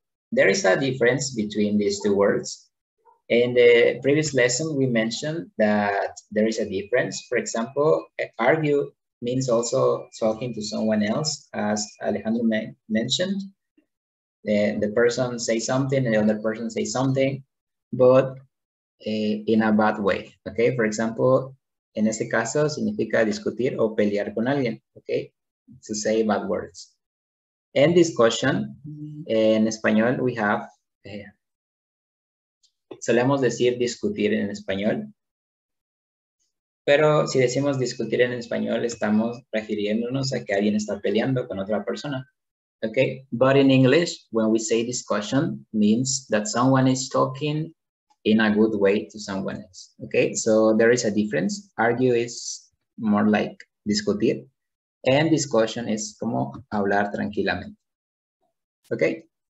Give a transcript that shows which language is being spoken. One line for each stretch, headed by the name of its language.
English: There is a difference between these two words. In the previous lesson, we mentioned that there is a difference. For example, argue means also talking to someone else, as Alejandro mentioned. The person say something and the other person say something, but in a bad way, okay? For example,
Spanish: en este caso significa discutir o pelear con alguien, okay?
English: To say bad words. In discussion,
Spanish: en español
English: we have,
Spanish: solemos decir discutir en español, pero si decimos discutir en español estamos refiriéndonos a que alguien está peleando con otra persona.
English: Okay, but in English, when we say discussion, means that someone is talking in a good way to someone else. Okay, so there is a difference. Argue is more like discutir, and discussion is
Spanish: como hablar tranquilamente.
English: Okay.